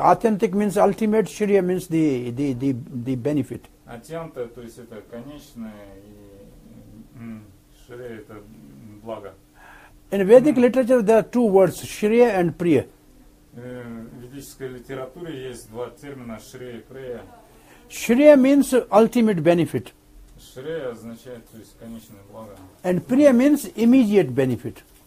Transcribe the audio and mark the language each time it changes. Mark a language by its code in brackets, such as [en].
[en] Authentic means ultimate, Shriya means the benefit. [ru] Atyanta, то есть это конечное, и Shriya это благо. [en] In Vedic literature there are two words, Shriya and Priya. [ru] В ведической литературе есть два термина, Shriya и Priya. [en] Shriya means ultimate benefit. [ru] Shriya означает, то есть конечное благо. [en] And Priya means immediate benefit.